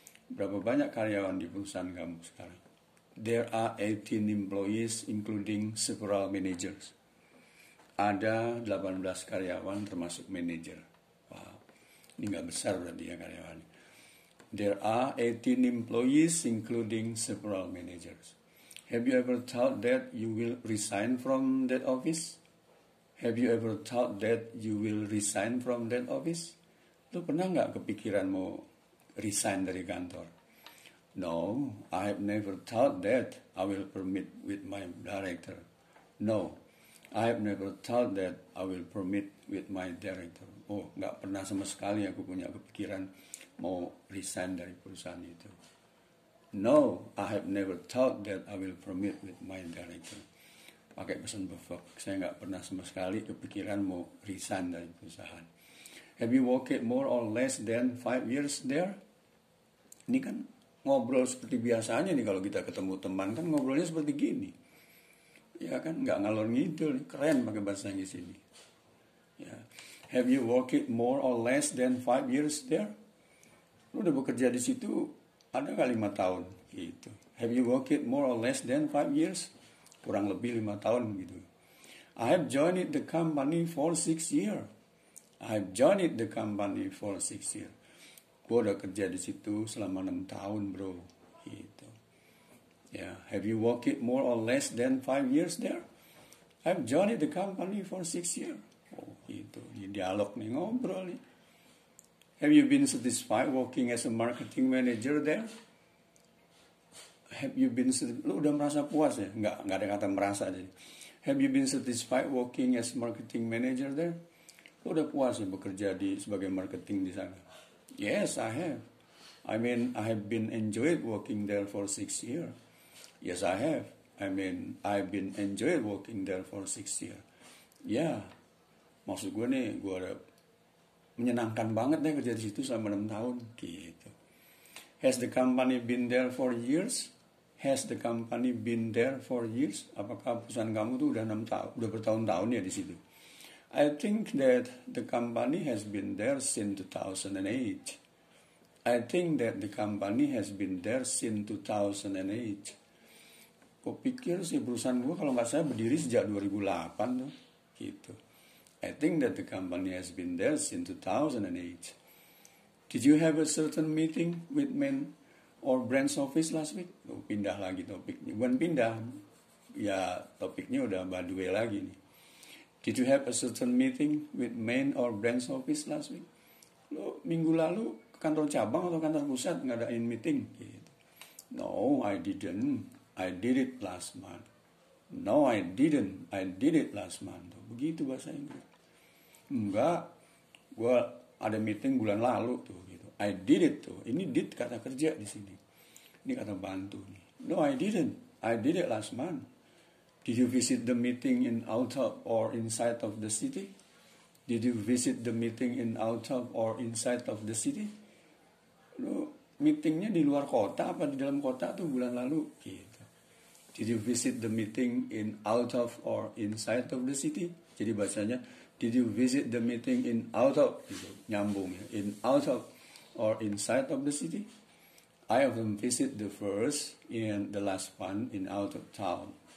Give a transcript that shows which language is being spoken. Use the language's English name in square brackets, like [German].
[Indonesian] Berapa banyak karyawan di perusahaan kamu sekarang? [English] There are 18 employees including several managers. [Indonesian] Ada 18 karyawan termasuk manager. Wow. Ini enggak besar berarti ya karyawan. [English] There are 18 employees including several managers. Have you ever thought that you will resign from that office? Have you ever thought that you will resign from that office? [Indonesian] Lu pernah enggak kepikiran mau resign dari kantor? [English] No, I have never thought that I will permit with my director. No, I have never thought that I will permit with my director. [Indonesian] Oh, enggak pernah sama sekali aku punya kepikiran mau resign dari perusahaan itu. [English] No, I have never thought that I will permit with my director. [Indonesian] Pakai pesan bevok, saya enggak pernah sama sekali kepikiran mau resign dari perusahaan. [English] Have you worked more or less than 5 years there? [Indonesian] Ini kan ngobrol seperti biasanya nih, kalau kita ketemu teman kan ngobrolnya seperti gini. Ya kan, enggak ngalor ngidul, keren pakai bahasa Inggris ini. Ya. [English] Have you worked more or less than 5 years there? [Indonesian] Lu udah bekerja di situ ada enggak 5 tahun gitu. [English] Have you worked more or less than 5 years? [Indonesian] Kurang lebih 5 tahun gitu. [English] I have joined the company for 6 years. I have joined the company for 6 years. [Indonesian] Gua udah kerja di situ selama 6 tahun, bro. Gitu. Yeah. [English] Have you worked more or less than 5 years there? I've joined the company for 6 years. [Indonesian] Oh, gitu. Di dialog nih, ngobrol nih. [English] Have you been satisfied working as a marketing manager there? Have you been satisfied? [Indonesian] Lu udah merasa puas ya? Enggak ada kata merasa. Jadi. [English] Have you been satisfied working as a marketing manager there? [Indonesian] Lu udah puas ya bekerja di sebagai marketing di sana? [English] Yes, I have. I mean, I have been enjoyed working there for 6 years. Yes, I have. I mean, I've been enjoyed working there for 6 years. [Indonesian] Yeah. Maksud gue nih, gue ada menyenangkan banget deh kerja di situ selama 6 tahun. Gitu. [English] Has the company been there for years? Has the company been there for years? [Indonesian] Apakah perusahaan kamu tuh udah 6 tahun, udah bertahun-tahun ya di situ? [English] I think that the company has been there since 2008. I think that the company has been there since 2008. [Indonesian] Kok pikir sih perusahaan gue kalau nggak saya berdiri sejak 2008 tuh, gitu. [English] I think that the company has been there since 2008. Did you have a certain meeting with men or branch office last week? [Indonesian] Oh, pindah lagi topiknya. Bukan pindah, ya topiknya udah badue lagi nih. [English] Did you have a certain meeting with main or branch office last week? [Indonesian] Lo minggu lalu ke kantor cabang atau kantor pusat ngadain meeting? Gitu. [English] No, I didn't. I did it last month. No, I didn't. I did it last month. [Indonesian] Begitu bahasa Inggris. Enggak. Gua ada meeting bulan lalu tuh. Gitu. [English] I did it [Indonesian] tuh. Ini did kata kerja di sini. Ini kata bantu. Nih. [English] No, I didn't. I did it last month. Did you visit the meeting in out of or inside of the city? Did you visit the meeting in out of or inside of the city? [Indonesian] Lu meetingnya di luar kota apa di dalam kota tuh bulan lalu? Gitu. [English] Did you visit the meeting in out of or inside of the city? [Indonesian] Jadi bahasanya, [English] did you visit the meeting in out of, [Indonesian] gitu, nyambung ya, [English] in out of or inside of the city? I often visit the first and the last one in out of town.